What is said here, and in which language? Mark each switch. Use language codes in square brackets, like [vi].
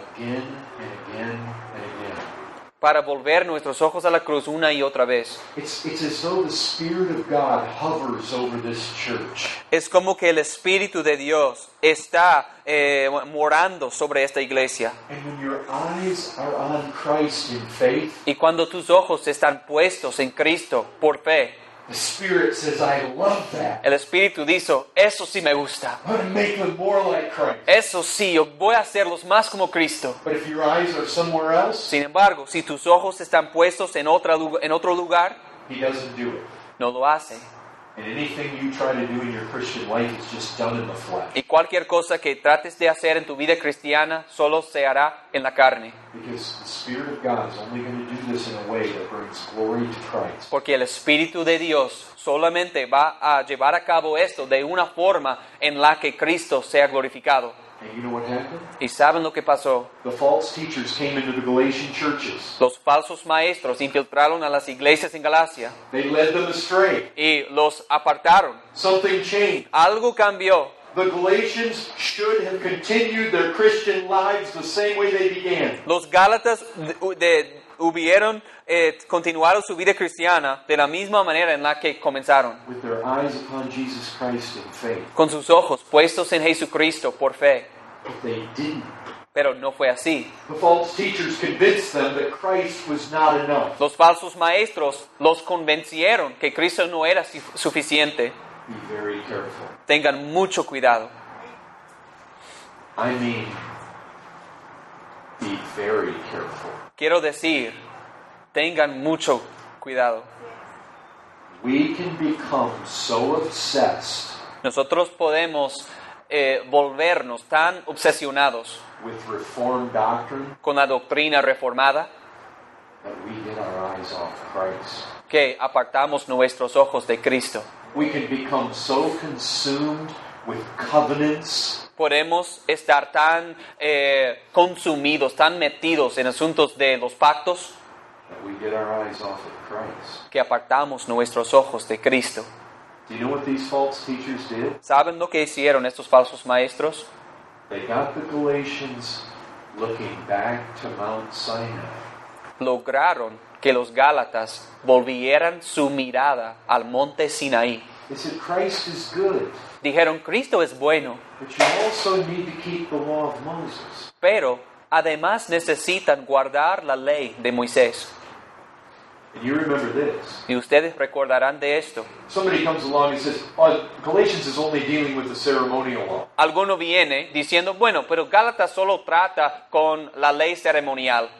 [en] Again and again and again. [es] Para volver nuestros ojos a la cruz una y otra vez. [en] It's as though the Spirit of God hovers over this church. [es] Es como que el Espíritu de Dios está morando sobre esta iglesia. [en] And when your eyes are on Christ in faith, [es] y cuando tus ojos están puestos en Cristo por fe, [en] the Spirit says, I love that. [es] El Espíritu dice, eso sí me gusta. [en] I'm going to make them more like Christ. [es] Eso sí, yo voy a hacerlos más como Cristo. [en] But if your eyes are somewhere else, [es] sin embargo, si tus ojos están puestos en otro lugar, [en] he doesn't do it. [es] No lo hace. [en] And anything you try to do in your Christian life is just done in the flesh. [es] Y cualquier cosa que trates de hacer en tu vida cristiana solo se hará en la carne. [en] Because the Spirit of God is only going to do this in a way that brings glory to Christ. [es] Porque el Espíritu de Dios solamente va a llevar a cabo esto de una forma en la que Cristo sea glorificado. [en] And you know what happened? [es] ¿Y saben lo que pasó? [en] The false teachers came into the Galatian churches. [es] Los falsos maestros infiltraron a las iglesias en Galacia. [en] They led them astray. [es] Y los apartaron. [en] Something changed. [es] Algo cambió. [en] The Galatians should have continued their Christian lives the same way they began. [es] Los gálatas hubieron continuado su vida cristiana de la misma manera en la que comenzaron. [en] With their eyes upon Jesus Christ in faith. [es] Con sus ojos puestos en Jesucristo por fe. [en] But they didn't. [es] Pero no fue así. [en] The false teachers convinced them that Christ was not enough. [es] Los falsos maestros los convencieron que Cristo no era suficiente. [en] Be very careful. [es] Tengan mucho cuidado. [en] I mean, be very careful. [es] Quiero decir, tengan mucho cuidado. [en] We can become so obsessed. [es] Nosotros podemos volvernos tan obsesionados [en] with reform doctrine, [es] con la doctrina reformada, [en] that we get our eyes off Christ. [es] Que apartamos nuestros ojos de Cristo. [en] We can become so consumed with covenants. [es] Podemos estar tan consumidos, tan metidos en asuntos de los pactos, [en] that we get our eyes off of Christ. [es] Que apartamos nuestros ojos de Cristo. [en] Do you know what these false teachers did? [es] ¿Saben lo que hicieron estos falsos maestros? [en] They got the Galatians looking back to Mount Sinai. [es] Lograron que los Gálatas volvieran su mirada al Monte Sinaí. [en] They said, Christ is good. [es] Dijeron, Cristo es bueno. [en] But you also need to keep the law of Moses. [es] Pero además necesitan guardar la ley de Moisés. [en] And you remember this. [es] Y ustedes recordarán de esto. [en] Somebody comes along and says, oh, Galatians is only dealing with the ceremonial law. [es] Alguno viene diciendo, bueno, pero Gálatas solo trata con la ley ceremonial.